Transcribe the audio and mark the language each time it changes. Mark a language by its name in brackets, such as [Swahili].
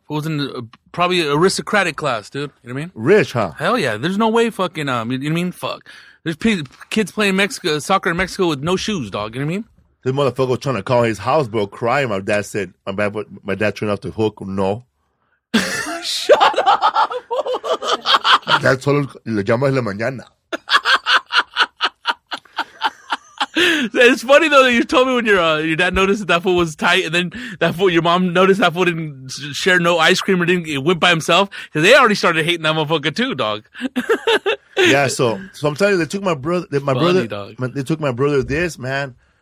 [English] It was in probably aristocratic class, dude. You know what I mean? Rich, huh? Hell yeah. There's no way fucking, you know what I mean? Fuck. There's kids playing soccer in Mexico with no shoes, dog. You know what I mean? This motherfucker was trying to call his house, bro, crying. My dad said, my dad turned off the hook. No. Shut up. My dad told him, [Spanish] le llamas la mañana. [English] It's funny though that you told me when your dad noticed that fool was tight, and then that fool, your mom noticed that fool didn't share no ice cream or didn't went by himself, because they already started hating that motherfucker too, dog. Yeah, so I'm telling you, they took my brother this, man.